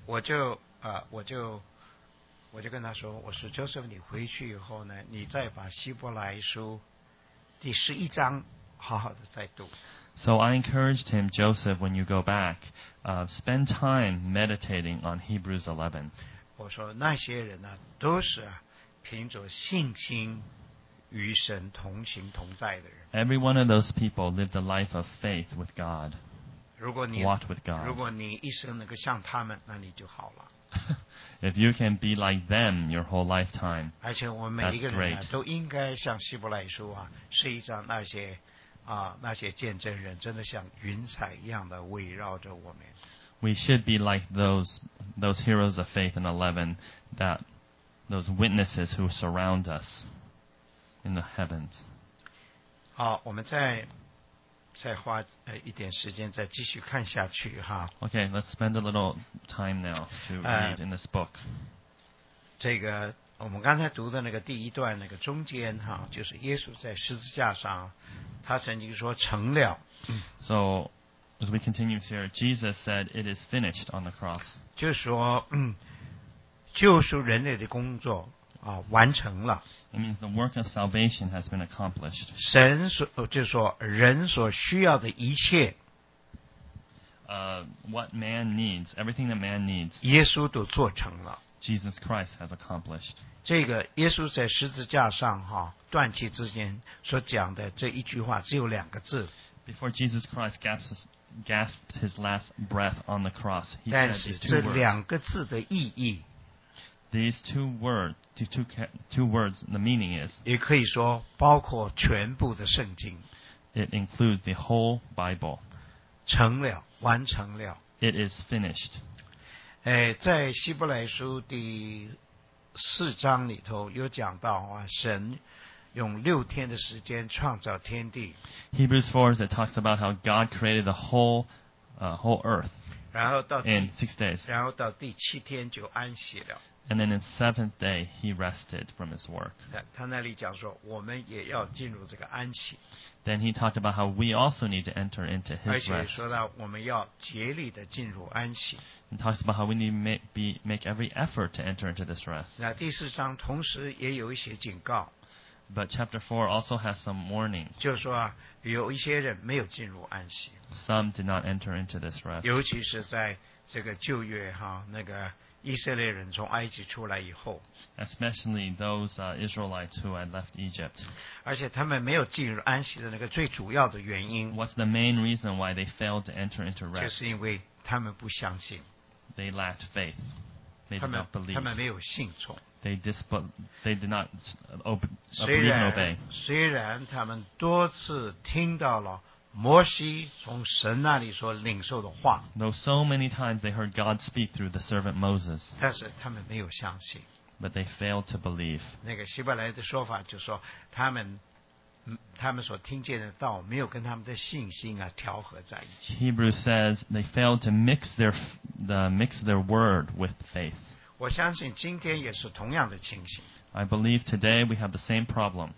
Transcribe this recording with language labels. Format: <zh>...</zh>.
<zh>我就跟他说，我说 Joseph， 你回去以后呢，你再把希伯来书第十一章好好的再读。</zh> <en>So I encouraged him, Joseph, when you go back, spend time meditating on Hebrews 11.</en> <zh>我说那些人呢，都是凭着信心。与神同行同在的人。</zh> <en>Every one of those people lived a life of faith with God.</en> <zh>如果你</zh> <en>walked with God.</en> <zh>如果你一生能够像他们，那你就好了。</zh> <en>If you can be like them your whole lifetime,</en> <zh>而且我们每一个人呢，都应该像希伯来书啊，是一张那些啊那些见证人，真的像云彩一样的围绕着我们。</zh> <en>We should be like those heroes of faith in 11, that those witnesses who surround us. In the heavens.</en> <zh>好，我们再花一点时间再继续看下去哈。</zh> <en>Okay, let's spend a little time now to read in this book.</en> <zh>这个我们刚才读的那个第一段那个中间哈，就是耶稣在十字架上，他曾经说成了。</zh> <en>So as we continue here, Jesus said, "It is finished" on the cross.</en> <zh>就是说，救赎人类的工作。完成了。</zh> <en>It means the work of salvation has been accomplished.</en> <zh>神所就是说人所需要的一切。</zh> <en>What man needs, everything that man needs.</en> <zh>耶稣都做成了。</zh> <en>Jesus Christ has accomplished.</en> <zh>这个耶稣在十字架上哈断气之间所讲的这一句话只有两个字。</zh> <en>Before Jesus Christ gasped his last breath on the cross, he said these two words.</en> <zh>但是这两个字的意义。</zh> <en>These two words, two words, the meaning is.</en> <zh>也可以说包括全部的圣经。</zh> <en>It includes the whole Bible.</en> <zh>成了，完成了。</zh> <en>It is finished.</en> <zh>在希伯来书第四章里头有讲到啊，神用六天的时间创造天地。</zh> <en>Hebrews 4, it talks about how God created the whole earth in 6 days.</en> <zh>然后到第七天就安息了。</zh> <en>And then in the seventh day, he rested from his work.</en> <zh>他那里讲说，我们也要进入这个安息。</zh> <en>Then he talked about how we also need to enter into his rest.</en> <zh>而且说到我们要竭力的进入安息。</zh> <en>He talks about how we need to make every effort to enter into this rest.</en> <zh>那第四章同时也有一些警告。</zh> <en>But chapter 4 also has some warning.</en> <zh>就是说啊，有一些人没有进入安息。</zh> <en>Some did not enter into this rest.</en> <zh>尤其是在这个旧约哈，那个以色列人从埃及出来以后，</zh> <en>especially those Israelites who had left Egypt，</en> <zh>而且他们没有进入安息的那个最主要的原因，</zh> <en>what's the main reason why they failed to enter into rest，</en> <zh>就是因为他们不相信，</zh> <en>they lacked faith， they did not believe，</en> <zh>他们没有信从，</zh> <en>they did not believe and obey。</en> <zh>虽然他们多次听到了摩西从神那里所领受的话，</zh> <en>though so many times they heard God speak through the servant Moses，</en> <zh>但是他们没有相信，</zh> <en>but they failed to believe。</en> <zh>那个希伯来的说法就说他们所听见的道没有跟他们的信心啊调和在一起。</zh> <en>Hebrew says they failed to mix their word with faith。</en> <zh>我相信今天也是同样的情形。</zh> <en>I believe today we have the same problem.</en>